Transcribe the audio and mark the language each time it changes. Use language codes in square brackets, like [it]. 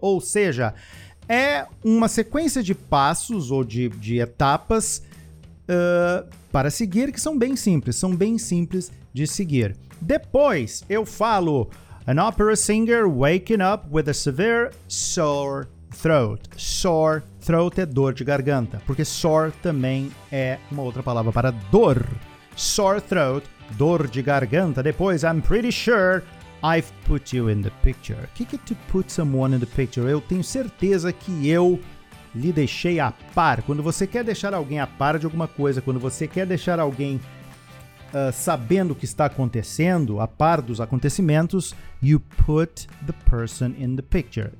[pt] Ou seja, é uma sequência de passos ou de etapas para seguir, que são bem simples de seguir. Depois eu falo, [en] an opera singer waking up with a severe sore throat. [pt] Sore throat é dor de garganta, porque sore também é uma outra palavra para dor. Sore throat, dor de garganta. [en] Depois, I'm pretty sure I've put you in the picture. [pt] O que é to put someone in the picture? Eu tenho certeza que eu lhe deixei a par. Quando você quer deixar alguém a par de alguma coisa, quando você quer deixar alguém sabendo o que está acontecendo, a par dos acontecimentos, [en] you put the person in the picture.